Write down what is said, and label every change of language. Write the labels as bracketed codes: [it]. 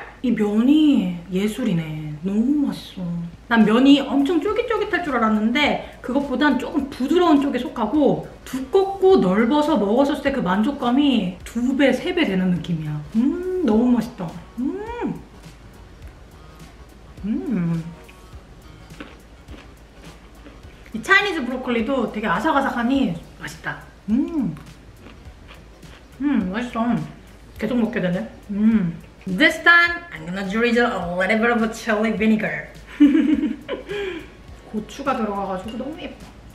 [ko] 이 면이 예술이네. 너무 맛있어. 난 면이 엄청 쫄깃쫄깃할 줄 알았는데 그것보단 조금 부드러운 쪽에 속하고 두껍고 넓어서 먹었을 때 그 만족감이 두 배, 세 배 되는 느낌이야. 너무 맛있다. 이 차이니즈 브로콜리도 되게 아삭아삭하니 맛있다. 맛있어. 계속 먹게 되네. [en] This time, I'm gonna drizzle a little bit of a chili vinegar. [ko] 고추가 들어가가지고 너무 예뻐.